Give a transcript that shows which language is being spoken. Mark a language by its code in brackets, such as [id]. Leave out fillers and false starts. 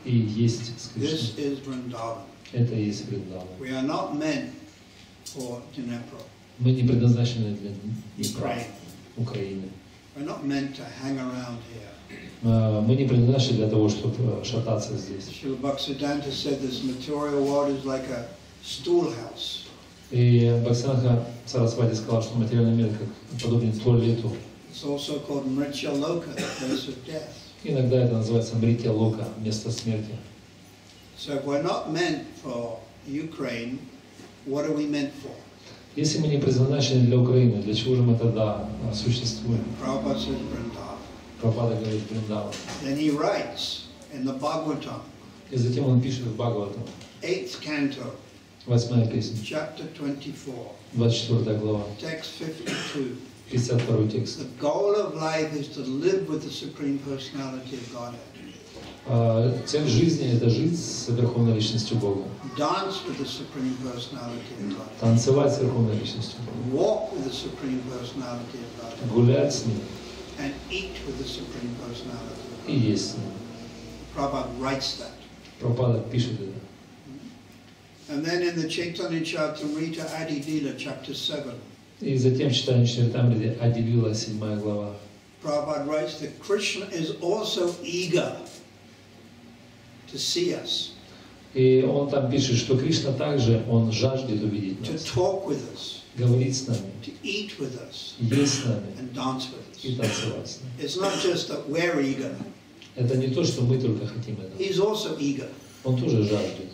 [ru] И есть с Кришной. [en] This is Vrindavan. [ru] Это и есть Вриндаван. [en] We are not meant for Dnepro. [ru] Мы не предназначены для Днепра. Украины. [en] We're not meant to hang around here. [ru] Мы не предназначены для того, чтобы шататься здесь. [en] Srila Bhaktisiddhanta said this material world is like a schoolhouse. [ru] И Бхактисиддханта Сарасвати сказал, что материальный мир как подобен туалету. [en] It's also called Mritya Loka, the place of death. [ru] Иногда это называется Мритья Лока, место смерти. [en] So if we're not meant for Ukraine, what are we meant for? [ru] Если мы не предназначены для Украины, для чего же мы тогда существуем? [en] Prabhupada says Vrindavan. [ru] Prabhupada говорит Vrindavan. [en] Then he writes in the Bhagavatam. [ru] И затем он пишет в Бхагаватам. [en] Eighth canto. [ru] Восьмая песня. [en] Chapter 24. [ru] 24 глава. [en] Text 52. [ru] 32 текст. [en] The goal of life is to live with the Supreme Personality of Godhead. [ru] Цель жизни – это жить с Верховной Личностью Бога. [en] Dance with the Supreme Personality of God. [ru] Танцевать с Верховной Личностью Бога. [en] Walk with the Supreme Personality of God. [ru] Гулять с Ним. [en] And eat with the Supreme Personality of God. [ru] И есть с Ним. [en] Prabhupada writes that. [ru] Prabhupada пишет это. [en] And then in the Chaitanya Charitamrita Adi Lila, chapter 7. [ru] И затем читаем Чайтанья-чаритамриту Ади Лила, 7 глава. [en] Prabhupada writes that Krishna is also eager to see us. [ru] И он там пишет, что Кришна также, он жаждет увидеть нас. [en] To talk with us. [ru] Говорить с нами. [en] To eat with us. [ru] Есть с нами. [en] And dance with us. [ru] И танцевать с нами. [en] It's not just that we're eager. [ru] Это не то, что мы только хотим этого. [en] He's also eager. [ru] Он тоже жаждет.